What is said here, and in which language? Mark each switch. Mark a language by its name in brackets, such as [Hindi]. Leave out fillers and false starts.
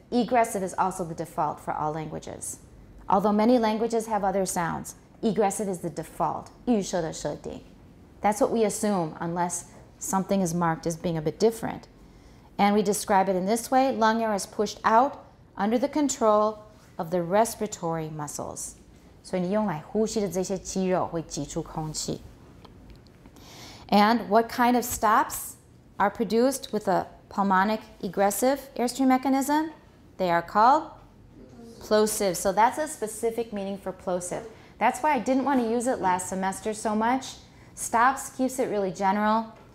[English] Egressive is also the default for all languages. Although many languages have other sounds, egressive is the default. [Chinese] 预设的设定. [English] That's what we assume, unless something is marked as being a bit different. And we describe it in this way. Lung air is pushed out under the control of the respiratory muscles. [Chinese] 所以你用来呼吸的这些肌肉会挤出空气. [English] And what kind of stops are produced with a pulmonic egressive airstream mechanism? They are called plosives. So that's a specific meaning for plosive. That's why I didn't want to use it last semester so much. Stops keeps it really general.